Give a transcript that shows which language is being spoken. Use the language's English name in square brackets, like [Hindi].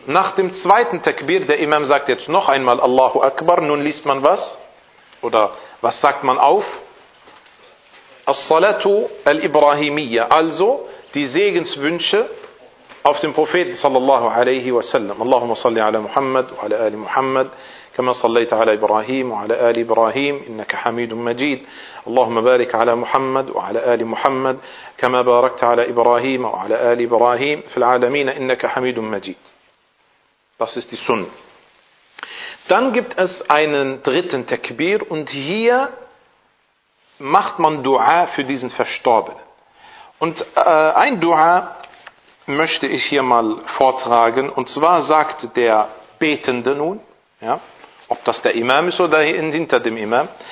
[German] Nach dem zweiten Takbir, der Imam sagt jetzt noch einmal Allahu Akbar, nun liest man was? Oder was sagt man auf? As-Salatu Al-Ibrahimiyya, also die Segenswünsche auf den Propheten [Arabic] sallallahu alaihi wa sallam. Allahumma salli ala Muhammad wa ala ali Muhammad. كما صليت على إبراهيم وعلى آل إبراهيم إنك حميد مجيد اللهم بارك على محمد وعلى آل محمد كما باركت على إبراهيم وعلى آل إبراهيم في العالمين إنك حميد مجيد. [German] Das ist die Sunnah. Dann gibt es einen dritten Takbir und hier macht man Dua für diesen Verstorbenen. Und ein Dua möchte ich hier mal vortragen, und zwar sagt der Betende nun, ja, ob das der Imam ist oder hinter dem Imam.